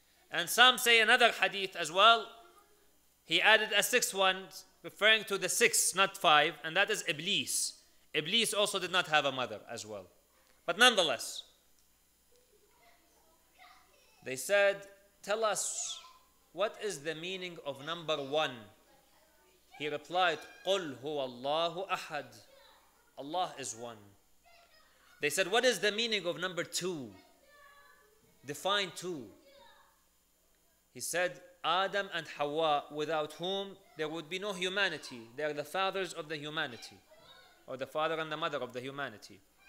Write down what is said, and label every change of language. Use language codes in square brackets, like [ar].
[en] And some say another hadith as well. He added a sixth one, referring to the six, not five, and that is Iblis. Iblis also did not have a mother as well. But nonetheless, they said, tell us, what is the meaning of number one? He replied, [ar] قُلْ هُوَ اللَّهُ أَحَدٌ. [en] Allah is one. They said, what is the meaning of number two? Define two. He said, Adam and Hawa, without whom there would be no humanity. They are the fathers of the humanity, or the father and the mother of the humanity.